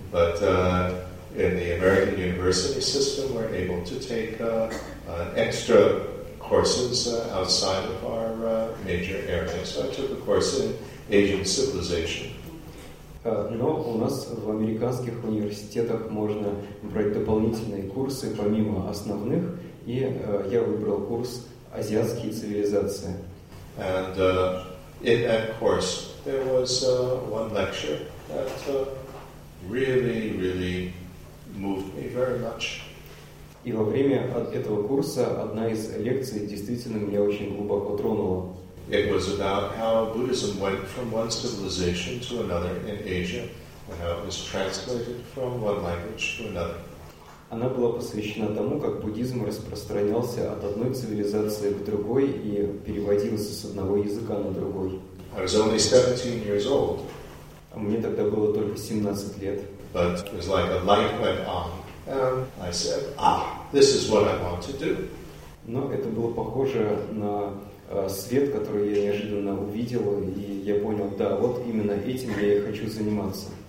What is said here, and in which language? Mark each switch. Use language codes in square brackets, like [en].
[en] But in the American university system, we're able to take extra courses outside of our major area. So I took a course in Asian civilization. [ru] Но у нас в американских университетах можно брать дополнительные курсы помимо основных, и я выбрал курс «Азиатские цивилизации». [en] And in that course there was one lecture that really, really moved me very much. [ru] И во время этого курса одна из лекций действительно меня очень глубоко тронула. [en] It was about how Buddhism went from one civilization to another in Asia, and how it was translated from one language to another. [ru] Она была посвящена тому, как буддизм распространялся от одной цивилизации к другой и переводился с одного языка на другой. [en] I was only 17 years old. [ru] Мне тогда было только 17 лет. [en] But it was like a light went on, and I said, "Ah, this is what I want to do." [ru] Но это было похоже на свет, который я неожиданно увидел, и я понял, да, вот именно этим я и хочу заниматься.